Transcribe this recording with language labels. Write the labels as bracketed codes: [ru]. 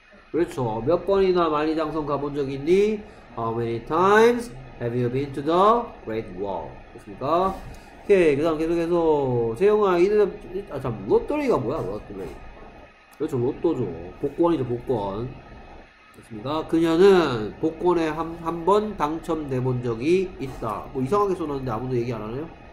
[ko] 그렇죠. 몇 번이나 만리장성 가본 적 있니? [en] How many times have you been to the Great Wall? [ko] 됐습니까? 오케이. 그 다음 계속해서 세영아 이 대답. 아 참 롯데리가 뭐야 롯데리. 그렇죠. 로또죠. 복권이죠. 복권. 됐습니다. 그녀는 복권에 한번 당첨돼 본 적이 있다. 뭐 이상하게 써놨는데 아무도 얘기 안 하네요.